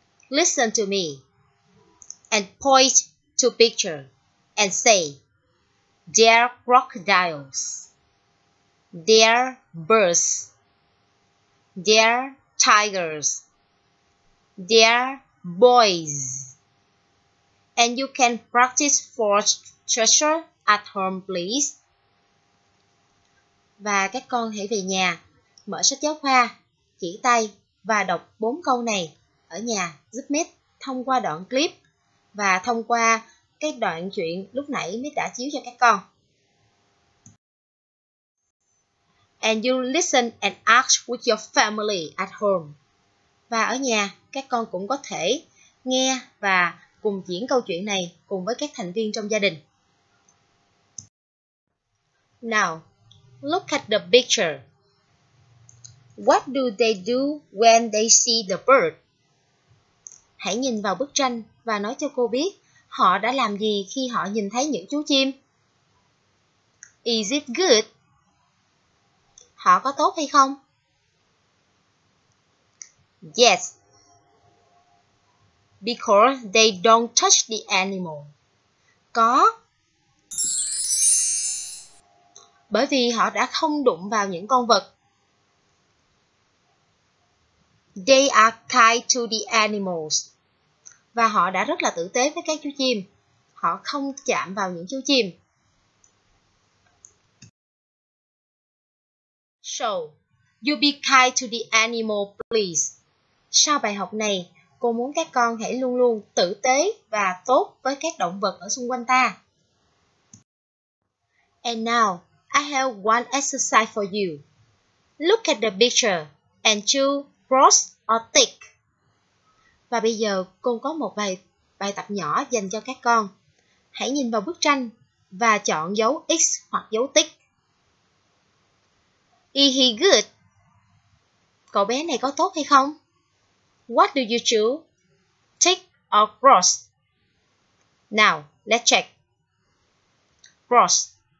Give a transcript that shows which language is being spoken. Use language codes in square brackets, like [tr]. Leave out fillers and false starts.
[en] Listen to me and point to picture and say, they're crocodiles. They're birds. They're tigers. They're boys. And you can practice for treasure at home, please. [vi] Và các con hãy về nhà, mở sách giáo khoa, chỉ tay và đọc 4 câu này ở nhà giúp Mít thông qua đoạn clip và thông qua cái đoạn chuyện lúc nãy Mít đã chiếu cho các con. [en] And you listen and ask with your family at home. [vi] Và ở nhà, các con cũng có thể nghe và cùng diễn câu chuyện này cùng với các thành viên trong gia đình. [en] Now, look at the picture. What do they do when they see the bird? [vi] Hãy nhìn vào bức tranh và nói cho cô biết họ đã làm gì khi họ nhìn thấy những chú chim. [en] Is it good? [vi] Họ có tốt hay không? [en] Yes. Because they don't touch the animal. [vi] Có. Bởi vì họ đã không đụng vào những con vật. They are kind to the animals. Và họ đã rất là tử tế với các chú chim. Họ không chạm vào những chú chim. [en] So, you be kind to the animal, please. [vi] Sau bài học này, cô muốn các con hãy luôn luôn tử tế và tốt với các động vật ở xung quanh ta. [en] And now, I have one exercise for you. Look at the picture and choose cross or tick. [vi] Và bây giờ, cô có một bài tập nhỏ dành cho các con. Hãy nhìn vào bức tranh và chọn dấu X hoặc dấu tick. [en] Is he good? [vi] Cậu bé này có tốt hay không? [en] What do you choose? Tick or cross? Now, let's check. Cross.